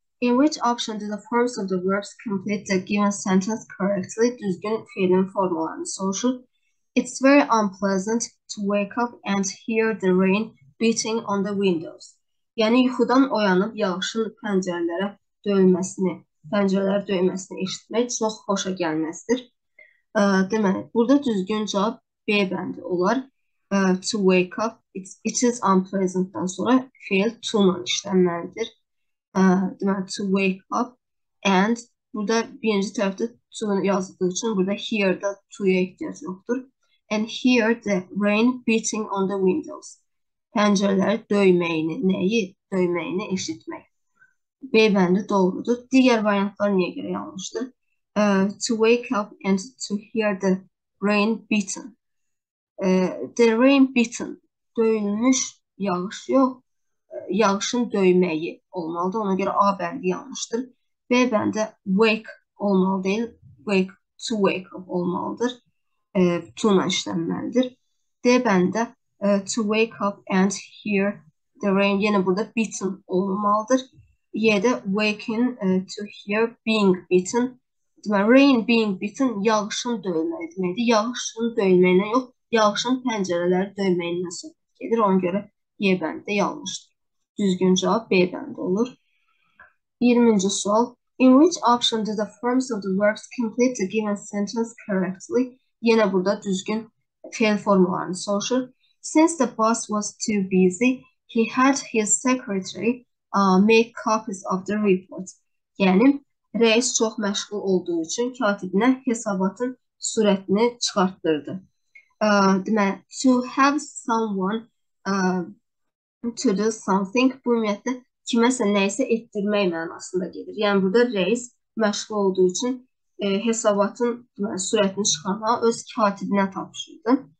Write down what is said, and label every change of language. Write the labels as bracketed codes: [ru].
[en] In which option do the forms of the verbs complete the given sentence correctly? [az] Düzgün fiilin formalarını soruşur. [en] It's very unpleasant to wake up and hear the rain beating on the windows. [az] Yəni yuxudan oyanıb yağışın pəncərələr döyməsini eşitmək çox xoşa gəlməzdir. Deməli, burada düzgün cavab B bəndi olar. [en] To wake up, it is unpleasant- [az] dan sonra fail to ilə işlənməlidir. Deməli, [en] to wake up and [az] burada birinci tərəfdə to yazdığı üçün burada here-də to-ya ehtiyac yoxdur. [en] And hear the rain beating on the windows. [az] Pəncərələri döyməyini, nəyi? Döyməyini eşitmək. B bəndi doğrudur. Digər variantlar niyə görə yanlışdır? [en] To wake up and to hear the rain beaten. The rain beaten. [az] Döyülmüş yağış yox. Yağışın döyməyi olmalıdır. Ona görə A bəndi yanlışdır. B bəndi wake olmalı deyil. Wake, to wake up olmalıdır. [en] To [az] ilə işlənməlidir. D bəndə [en] to wake up and hear the rain. [az] Yenə burada beaten olmalıdır. Y də [en] waking to hear being beaten. [az] Demə, [en] rain being beaten [az] yağışın döyülməyi deməkdir. Yağışın döyülməyindən yox, yağışın pəncərələri döyülməyindən söhbət gedir. Ona görə Y bəndi də yanlışdır. Düzgün cavab B bəndi olur. 20-ci sual. [en] In which option do the forms of the verbs complete the given sentence correctly? [az] Yenə burada düzgün fiil formalarını soruşur. [en] Since the boss was too busy, he had his secretary make copies of the report. [az] Yəni, reis çox məşğul olduğu üçün katibinə hesabatın surətini çıxartdırdı. Deməli, [en] to have someone To do something, [az] bu ümumiyyətlə kiməsə neyse etdirmək mənasında gelir. Yəni burada reis məşğul olduğu için hesabatın sürətini çıxarmağa öz katibinə tapşırdı.